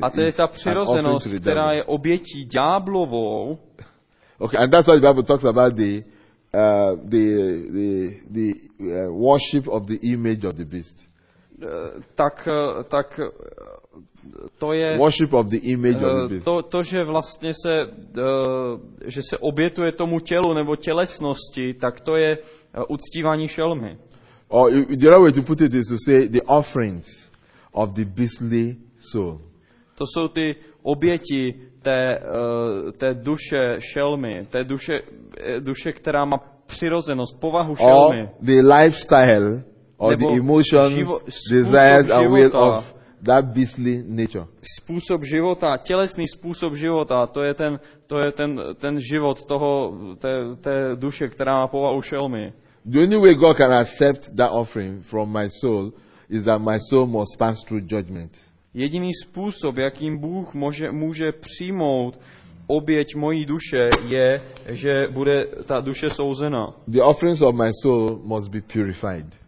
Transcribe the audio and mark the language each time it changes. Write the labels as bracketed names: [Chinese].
[Czech] A to je ta přirozenost, která je obětí ďáblovou. [English] Okay, and that's why the Bible talks about the worship of the image of the beast. [Czech] Tak to je [English] worship of the image of the beast. [Czech] To že vlastně se že se obětuje tomu tělu nebo tělesnosti, tak to je uctívání šelmy. [English] Or the other way to put it is to say the offerings of the beastly soul. [Czech] To jsou ty oběti té duše šelmy, té duše, která má přirozenost, povahu šelmy. [English] Or the lifestyle or the emotions, desires and will of that beastly nature. [Czech] Způsob života, tělesný způsob života, to je ten život toho té duše, která má povahu šelmy. [English] The only way God can accept that offering from my soul is that my soul must pass through judgment. [Czech] Jediný způsob, jakým Bůh může přijmout oběť mojí duše, je, že bude ta duše souzena. [English] The offerings of my soul must be purified.